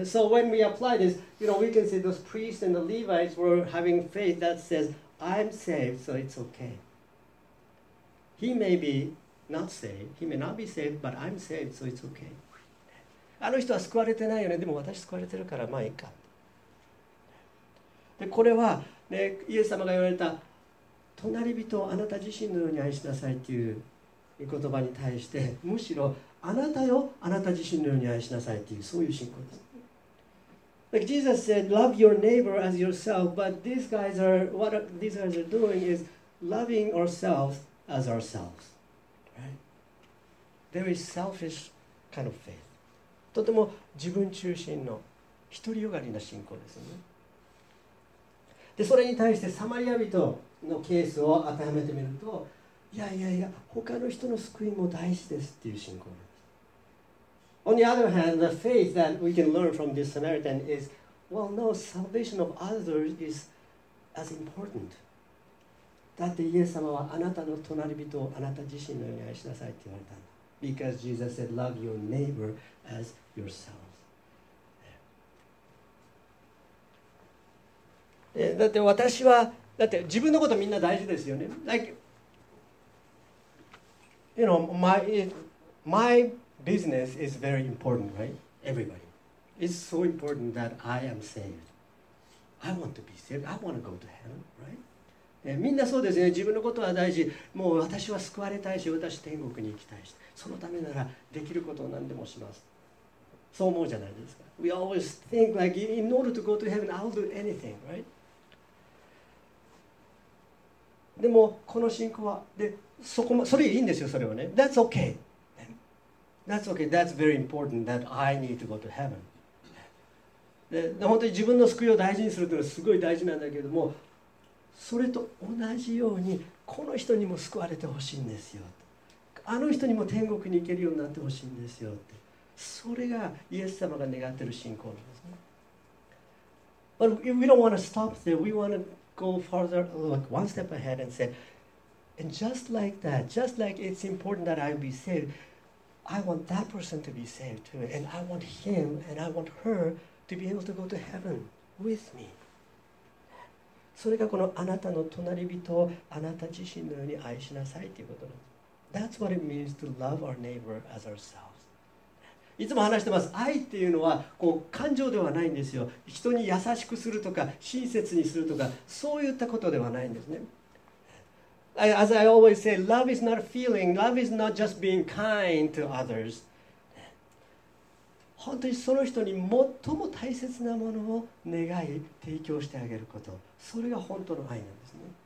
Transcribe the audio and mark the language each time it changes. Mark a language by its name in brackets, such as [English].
[English] So when we apply this, you know, we can say those priests and the Levites were having faith that says, I'm saved, so it's okay. He may be not saved, he may not be saved, but I'm saved, so it's okay. [Japanese] あの人は救われてないよね、でも私救われてるからまあいいか。でこれは、ね、イエス様が言われた隣人をあなた自身のように愛しなさいっていう言葉に対してむしろあなたをあなた自身のように愛しなさいっていうそういう信仰です。 [English] Like Jesus said, love your neighbor as yourself, but these guys are, what these guys are doing is loving ourselves as ourselves. Right? Very selfish kind of faith. [Japanese] とても自分中心の独りよがりな信仰ですね。で、それに対してサマリア人のケースを当てはめてみると、いやいやいや他の人の救いも大事ですっていう信仰です。 [English] On the other hand, the faith that we can learn from this Samaritan is, well, no, salvation of others is as important. [Japanese] だってイエス様はあなたの隣人をあなた自身のように愛しなさいって言われたんだ。 [English] Because Jesus said, love your neighbor as yourself. [Japanese] だって私はだって自分のことみんな大事ですよね。 [English] Like, you know, my business is very important, right? Everybody. It's so important that I am saved. I want to be saved. I want to go to heaven, right? [Japanese] みんなそうですね。自分のことは大事。もう私は救われたいし、私天国に行きたいし。そのためならできることを何でもします。そう思うじゃないですか。 [English] We always think like, in order to go to heaven, I'll do anything, right? [Japanese] でもこの信仰はで そこもそれいいんですよそれはね [English] That's okay That's okay That's very important that I need to go to heaven [Japanese] で本当に自分の救いを大事にするというのはすごい大事なんだけどもそれと同じようにこの人にも救われてほしいんですよあの人にも天国に行けるようになってほしいんですよってそれがイエス様が願っている信仰なんですね [English] But we don't want to stop there We want toGo farther, like one step ahead, and say, and just like that, just like it's important that I be saved, I want that person to be saved too, and I want him and I want her to be able to go to heaven with me. [Japanese] それがこのあなたの隣人をあなた自身のように愛しなさいということなんです。 [English] That's what it means to love our neighbor as ourselves. [Japanese] いつも話してます。愛っていうのはこう感情ではないんですよ。人に優しくするとか親切にするとかそういったことではないんですね。 [English] As I always say, love is not a feeling. Love is not just being kind to others. [Japanese] 本当にその人に最も大切なものを願い提供してあげること。それが本当の愛なんですね。